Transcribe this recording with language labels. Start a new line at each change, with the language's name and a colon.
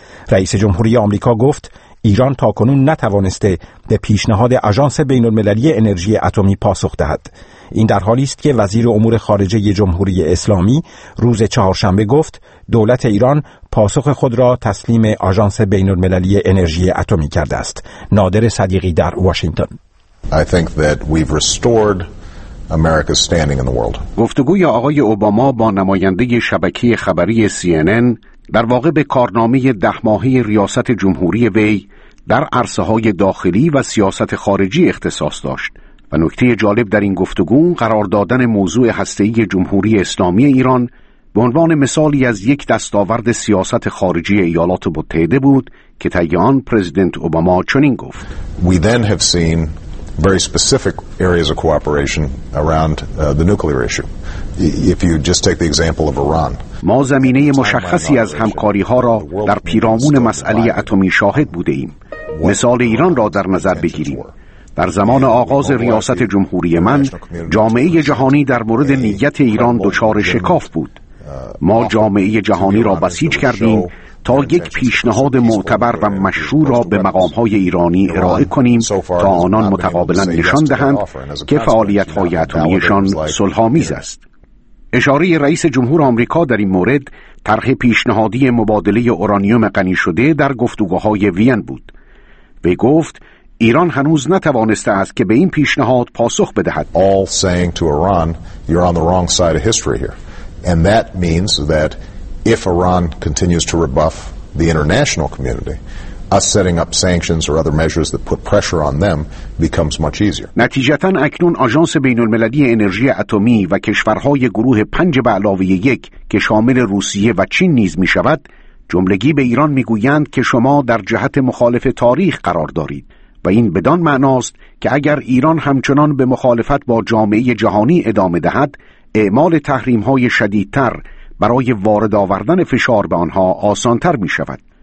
Persian: رئیس جمهوری آمریکا گفت ایران تاکنون نتوانسته به پیشنهاد آژانس بین المللی انرژی اتمی پاسخ دهد. این در حالی است که وزیر امور خارجه جمهوری اسلامی روز چهارشنبه گفت دولت ایران پاسخ خود را تسلیم آژانس بین المللی انرژی اتمی کرده است. نادر صدیقی در واشنگتن.
English: I think that we've restored America's standing in the world.
Persian: گفتگوی آقای اوباما با نماینده شبکه خبری CNN در واقع به کارنامه 10 ماهه ریاست جمهوری وی در عرصه‌های داخلی و سیاست خارجی اختصاص داشت و نکته جالب در این گفتگو قرار دادن موضوع هسته‌ای جمهوری اسلامی ایران به عنوان مثالی از یک دستاورد سیاست خارجی ایالات متحده بود که طی آن پرزیدنت اوباما چنین گفت.
English: We then have seen very specific areas of cooperation around the nuclear issue. If you just take the example of Iran.
Persian: ما زمینه مشخصی از همکاری‌ها را در پیرامون مسئله اتمی شاهد بوده‌ایم. مثال ایران را در نظر بگیریم. در زمان آغاز ریاست جمهوری من، جامعه جهانی در مورد نیت ایران دچار شکاف بود. ما جامعه جهانی را بسیج کردیم تا یک پیشنهاد معتبر و مشروع را به مقام‌های ایرانی ارائه کنیم تا آنان متقابلاً نشان دهند که فعالیت‌های اتمی‌شان صلح‌آمیز است. اشاره رئیس جمهور آمریکا در این مورد طرح پیشنهادی مبادله اورانیوم غنی شده در گفتگوهای وین بود. وی گفت ایران هنوز نتوانسته است که به این پیشنهاد پاسخ بدهد.
English: All saying to Iran you're on the wrong side of history here. And that means that if Iran continues to rebuff the international community, us setting up sanctions or other measures that put pressure on them becomes much easier.
Persian: نتیجتاً اکنون آژانس بین المللی انرژی اتمی و کشورهای گروه 5 به علاوه 1 که شامل روسیه و چین نیز می‌شود، جملگی به ایران می‌گویند که شما در جهت مخالف تاریخ قرار دارید. و این بدان معناست که اگر ایران همچنان به مخالفت با جامعه جهانی ادامه دهد، اعمال تحریم‌های شدیدتر برای وارد آوردن فشار به آنها آسان‌تر می‌شود.